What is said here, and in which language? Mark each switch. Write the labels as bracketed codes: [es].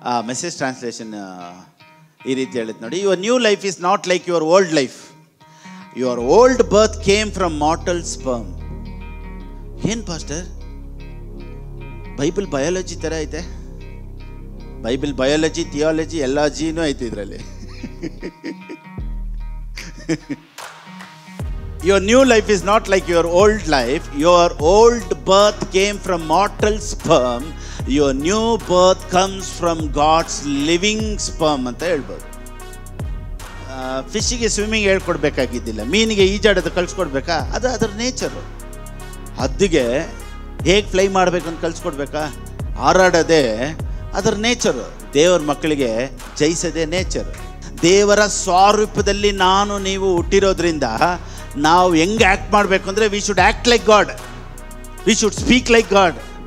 [kn] Message translation ಈ ರೀತಿ ಹೇಳುತ್ತೆ ನೋಡಿ, [en] Your new life is not like your old life. Your old birth came from mortal sperm. [kn] ಏನು pastor, Bible biology ಥರ ಐತೆ? ಬೈಬಲ್ ಬಯಾಲಜಿ, ಥಿಯಾಲಜಿ ಎಲ್ಲ ಜೀನೂ ಐತೆ ಇದರಲ್ಲಿ. [en] Your new life is not like your old life. Your old birth came from mortal sperm. Your new birth comes from God's living sperm. [kn] ಅಂತ ಹೇಳ್ಬೋದು. ಫಿಶ್ಗೆ swimming ಹೇಳ್ಕೊಡ್ಬೇಕಾಗಿದ್ದಿಲ್ಲ, ಮೀನಿಗೆ ಈಜಾಡೋದು ಕಲ್ಸ್ಕೊಡ್ಬೇಕಾ? ಅದು ಅದರ ನೇಚರು. ಹದ್ದಿಗೆ ಹೇಗೆ ಫ್ಲೈ ಮಾಡಬೇಕು ಅಂತ ಕಲ್ಸ್ಕೊಡ್ಬೇಕಾ? ಹಾರಾಡೋದೇ ಅದರ ನೇಚರು. ದೇವರ ಮಕ್ಕಳಿಗೆ ಜಯಿಸೋದೇ ನೇಚರು. ದೇವರ ಸ್ವರೂಪದಲ್ಲಿ ನಾನು ನೀವು ಹುಟ್ಟಿರೋದ್ರಿಂದ ನಾವು ಹೆಂಗೆ ಆ್ಯಕ್ಟ್ ಮಾಡಬೇಕು ಅಂದರೆ, [en] we should act like God, [kn] we should speak like god.